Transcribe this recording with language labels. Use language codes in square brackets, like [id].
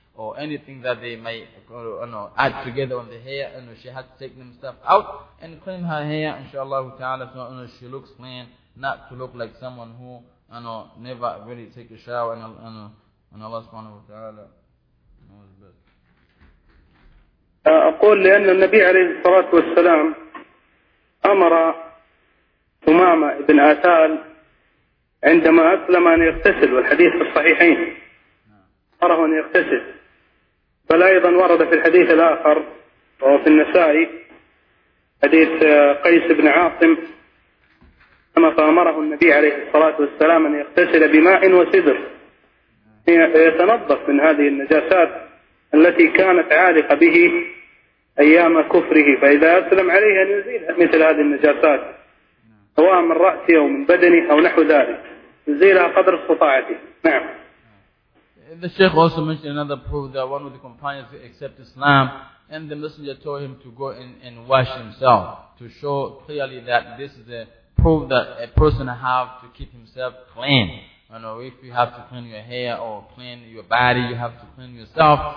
[en] or anything that they might, you know, add together on the hair, and you know, she has to take them stuff out and clean her hair, inshallah ta'ala, so you know, she looks clean, not to look like someone who, you know, never really take a shower, and you know, and Allah subhanahu wa ta'ala knows best. [ar] أقول لأن النبي عليه الصلاة والسلام أمر ثمامة بن عتال عندما أسلم أن يغتسل, والحديث في الصحيحين أمره أن يغتسل, بل أيضا ورد في الحديث الآخر وهو في النسائي حديث قيس بن عاصم كما أمره النبي عليه الصلاة والسلام أن يغتسل بماء وسدر يتنظف من هذه النجاسات التي كانت عالقة به أيام كفره, فإذا أسلم عليه أن يزيل مثل هذه النجاسات سواء من رأسه أو من بدنه أو نحو ذلك, يزيلها قدر استطاعته. نعم. [en] The Sheikh also mentioned another proof that one of the companions accepted Islam, and the messenger told him to go and wash himself to show clearly that this is a proof that a person have to keep himself clean. You know, if you have to clean your hair or clean your body, you have to clean yourself.